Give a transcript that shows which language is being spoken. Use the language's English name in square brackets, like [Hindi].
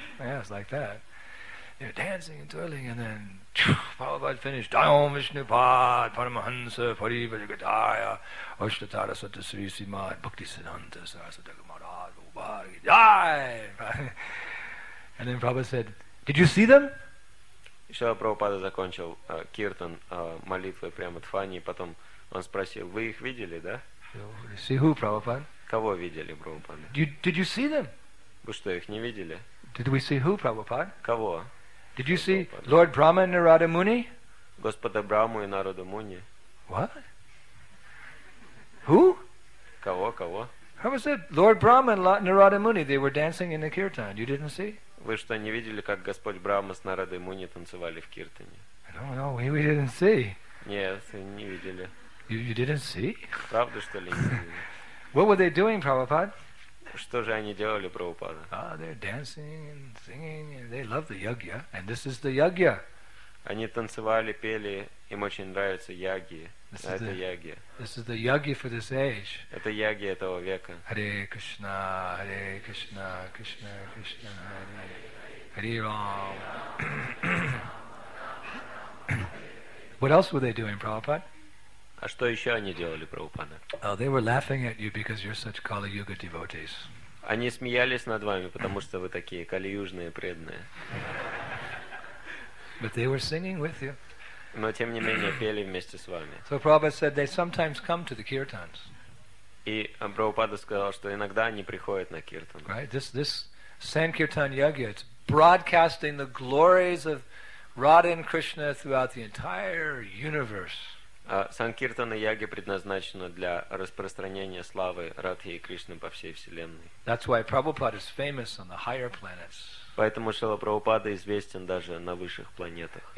[English] Yeah, it's like that. They're dancing and twirling, and then Prabhupada finished. [Sanskrit] Dayo Vishnupad, Paramahansa, Parivajagataya, Ashtatara Sata Sri Simad, Bhakti Siddhanta Sarasata Kumarad, Vubhagi, Jai! [English] And then Prabhupada said, did you see them? [Russian] Шрила Прабхупада закончил киртан молитвой прямо Дхвани, и потом он спросил, вы их видели, да? [English] See who, Prabhupada? [Russian] Кого видели, Прабхупада? [English] Did you see them? [Russian] Вы что, их не видели? [English] Did we see who, Prabhupada? [Russian] Кого? [English] Did you see Lord Brahma and Narada Muni? [Russian] Господа Брахму и Нарада Муни. [English] What? Who? [Russian] Кого, кого? [English] How was it? Lord Brahma and Narada Muni, they were dancing in the kirtan. You didn't see? [Russian] Вы что, не видели, как Господь Брахма с Нарадой Муни танцевали в киртане? [English] No, no, we didn't see. [Russian] Нет, не видели. [English] You didn't see? [Russian] Правда, что ли, не видели? [English] What were they doing, Prabhupada? [Russian] Что же они делали, Прабхупада? [English] They're dancing and singing. They love the yagya, and this is the yagya. [Russian] Они танцевали, пели, им очень нравятся яги. Это яги. [English] This is the yagya for this age. [Russian] Это яги этого века. [Sanskrit] Hare Krishna, Hare Krishna, Krishna Krishna, Hare Hare Ram. [English] What else were they doing, Prabhupada? [Russian] А что еще они делали, Прабхупада? [English] They were laughing at you because you're such Kali-Yuga devotees. [Russian] Они смеялись над вами, потому что вы такие калиюжные преданные. [English] But they were singing with you. [Russian] Но тем не менее пели вместе с вами. [English] So Prabhupada said they sometimes come to the kirtans. [Russian] И Прабхупада сказал, что иногда они приходят на киртан. [English] Right? This Sankirtan Yagya, it's broadcasting the glories of Radha and Krishna throughout the entire universe. [Russian] Санкиртана Яги предназначена для распространения славы Радхи и Кришны по всей вселенной. [English] That's why Prabhupada is famous on the higher planets. [Russian] Поэтому Шрила Прабхупада известен даже на высших планетах.